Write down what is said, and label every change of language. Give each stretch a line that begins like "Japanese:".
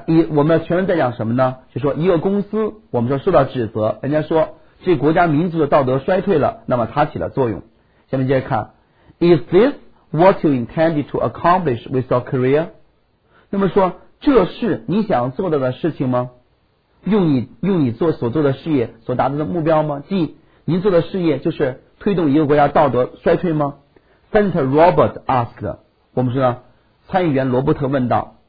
Chinese: 我们全文在讲什么呢，就说一个公司我们说受到指责，人家说这国家民族的道德衰退了，那么它起了作用。下面接着看，
English: Is this what you intended to accomplish with your career？
Chinese: 那么说这是你想做到的事情吗？用你做所做的事业所达到的目标吗？即您做的事业就是推动一个国家道德衰退吗？
English: Senator Robert asked，
Chinese: 我们说呢，参议员罗伯特问道。